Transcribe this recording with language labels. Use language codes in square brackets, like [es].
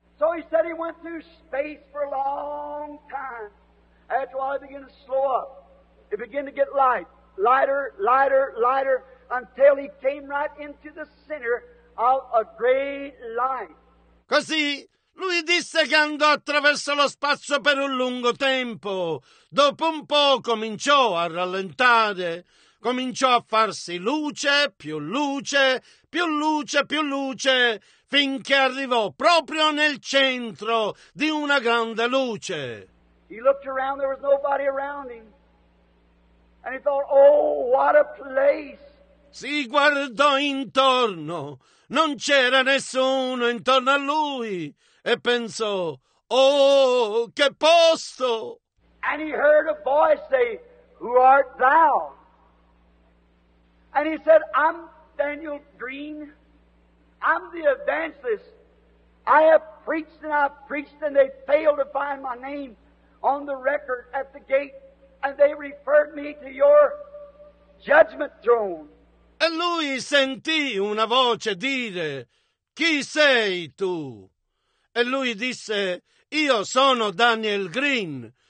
[en] So he said he went through space for a long time. After all, it began to slow up. It began to get light, lighter, lighter, lighter, until he came right into the center of a great light. [it] Così lui disse che andò attraverso lo spazio per un lungo tempo. Dopo un po' cominciò a rallentare. Cominciò a farsi luce, più luce, più luce, più luce, finché arrivò proprio nel centro di una grande luce. [en] He looked around, there was nobody around him. And he thought, "Oh, what a place." [it] Si guardò intorno, non c'era nessuno intorno a lui, e pensò, "Oh, che posto!" [en] And he heard a voice say, "Who art thou?" And he said, "I'm Daniel Green. I'm the evangelist. I have preached and I've preached, and they failed to find my name on the record at the gate, and they referred me to your judgment throne." [it] E lui sentì una voce dire, "Chi sei tu?" E lui disse, "Io sono Daniel Green.